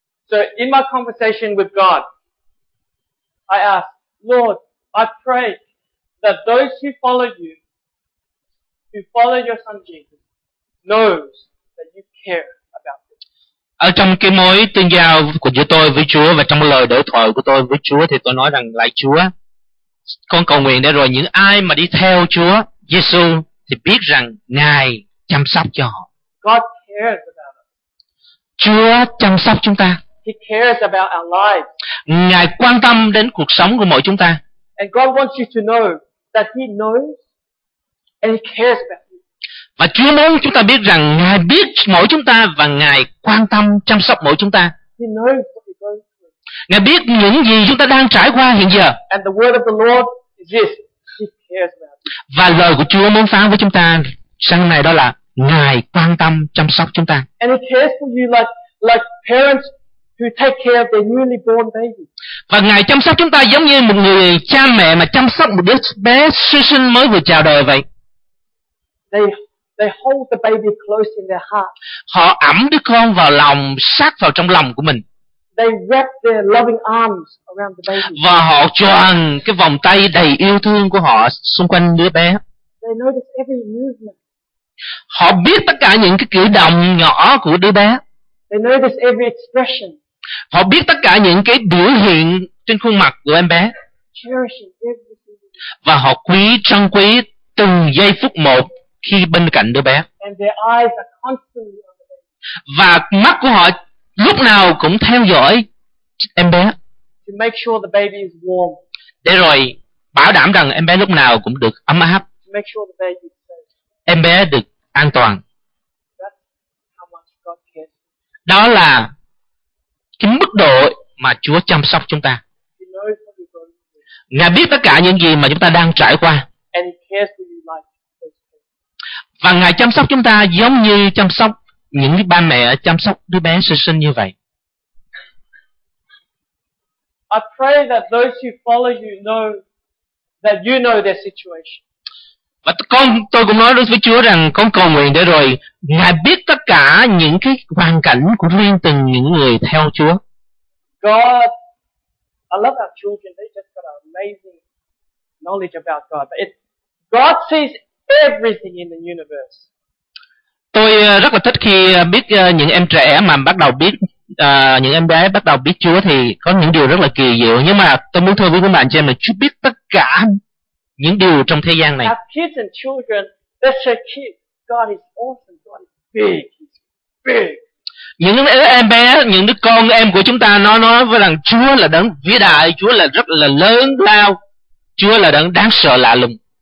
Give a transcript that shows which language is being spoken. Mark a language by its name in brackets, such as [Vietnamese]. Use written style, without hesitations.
[English] So in my conversation with God, I ask, Lord, I pray that those who follow you, who follow your son Jesus, knows that you care about them. [Vietnamese] Ở trong cái mối tương giao của giữa tôi với Chúa và trong lời đối thoại của tôi với Chúa thì tôi nói rằng lại Chúa, con cầu nguyện để rồi những ai mà đi theo Chúa Giêsu thì biết rằng Ngài chăm sóc cho họ. [English] God cares about us. [Vietnamese] Chúa chăm sóc chúng ta. [English] He cares about our lives. [Vietnamese] Ngài quan tâm đến cuộc sống của mỗi chúng ta. [English] And God wants you to know that He knows and He cares about you. [Vietnamese] Và Chúa muốn chúng ta biết rằng Ngài biết mỗi chúng ta và Ngài quan tâm chăm sóc mỗi chúng ta. [English] He knows what we're going through. [Vietnamese] Ngài biết những gì chúng ta đang trải qua hiện giờ. [English] And the word of the Lord is this. He cares about. [Vietnamese] Và lời của Chúa muốn phán với chúng ta sáng nay đó là Ngài quan tâm chăm sóc chúng ta. [English] And He cares for you like parents who take care of their newly born baby. [Vietnamese] Và Ngài chăm sóc chúng ta giống như một người cha mẹ mà chăm sóc một đứa bé sơ sinh mới vừa chào đời vậy. [English] They hold the baby close in their heart. [Vietnamese] Họ ẵm đứa con vào lòng, sát vào trong lòng của mình. [English] They wrap their loving arms around the baby. [Vietnamese] Và họ tròn cái vòng tay đầy yêu thương của họ xung quanh đứa bé. [English] They notice every movement. [Vietnamese] Họ biết tất cả những cái cử động nhỏ của đứa bé. [English] They notice every expression. [Vietnamese] Họ biết tất cả những cái biểu hiện trên khuôn mặt của em bé. [English] Cherishing everything. [Vietnamese] Và họ quý trân quý từng giây phút một khi bên cạnh đứa bé. [English] And their eyes are constantly on the baby. [Vietnamese] Và mắt của họ lúc nào cũng theo dõi em bé. [English] To make sure the baby is warm. [Vietnamese] Để rồi bảo đảm rằng em bé lúc nào cũng được ấm áp. [English] To make sure the baby is safe. [Vietnamese] Em bé được an toàn. [English] That's how much God cares. [Vietnamese] Đó là cái mức độ mà Chúa chăm sóc chúng ta. [English] He knows what you're going through. [Vietnamese] Ngài biết tất cả những gì mà chúng ta đang trải qua. [English] And He cares for you like this. [Vietnamese] Và Ngài chăm sóc chúng ta giống như chăm sóc những cái ba mẹ chăm sóc đứa bé sơ sinh như vậy. [English] I pray that those who follow you know that you know their situation. [Vietnamese] Và tôi cũng nói với Chúa rằng con cầu nguyện để rồi Ngài biết tất cả những cái hoàn cảnh của riêng từng những người theo Chúa. [English] God, I love our children. They just got an amazing knowledge about God. God sees everything in the universe. [Vietnamese] Tôi rất là thích khi biết những em trẻ mà bắt đầu biết những em bé bắt đầu biết Chúa thì có những điều rất là kỳ diệu, nhưng mà tôi muốn thưa với các bạn cho em là Chúa biết tất cả những điều trong thế gian này. [English] Our kids and children, they say, God is awesome, God is big, He's big. [Vietnamese] Những em bé, những đứa con em của chúng ta nói với rằng Chúa là đấng vĩ đại, Chúa là rất là lớn lao, Chúa là đấng đáng sợ lạ lùng.